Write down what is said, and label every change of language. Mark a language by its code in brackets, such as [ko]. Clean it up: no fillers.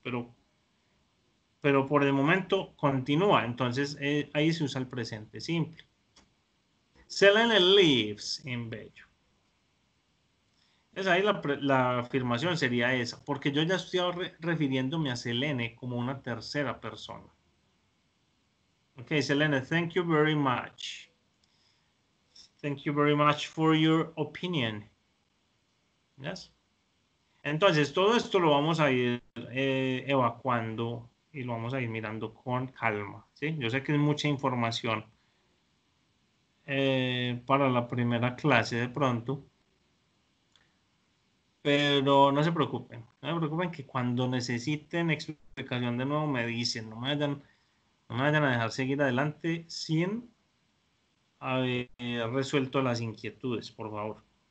[es] Pero por el momento continúa. Entonces ahí se usa el presente simple. [en] Selene lives in Bello. [es] Es ahí la afirmación sería esa. Porque yo ya estoy refiriéndome a Selene como una tercera persona. [en] Ok, Selene, thank you very much. Thank you very much for your opinion. Yes. [es] Entonces, todo esto lo vamos a ir evacuando y lo vamos a ir mirando con calma. ¿Sí? Yo sé que es mucha información. Para la primera clase de pronto, pero no se preocupen que cuando necesiten explicación de nuevo me dicen, no me vayan a dejar seguir adelante sin haber resuelto las inquietudes, por favor.